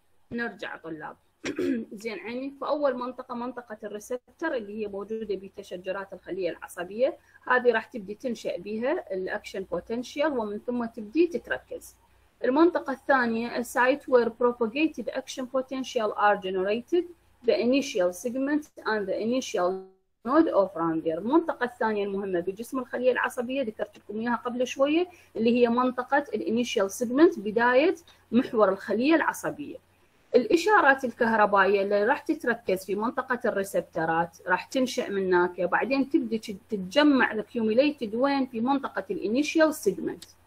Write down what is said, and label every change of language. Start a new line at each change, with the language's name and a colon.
Arabic: نرجع طلاب. زين عيني، فأول منطقة منطقة الريسبتر اللي هي موجودة بتشجرات الخلية العصبية، هذه راح تبدي تنشأ بها الأكشن بوتنشيال، ومن ثم تبدي تتركز. المنطقة الثانية
English: a site where propagated action potential are generated, the initial segment and the initial node of Ranvier.
Arabic: المنطقة الثانية المهمة بجسم الخلية العصبية ذكرت لكم اياها قبل شوية، اللي هي منطقة الانيشال سيجمنت، بداية محور الخلية العصبية. الإشارات الكهربائية اللي راح تتركز في منطقة الريسبترات راح تنشأ من هناك، بعدين تبدي تتجمع الاكيوميليتد وين؟ في منطقة الانيشال سيجمنت.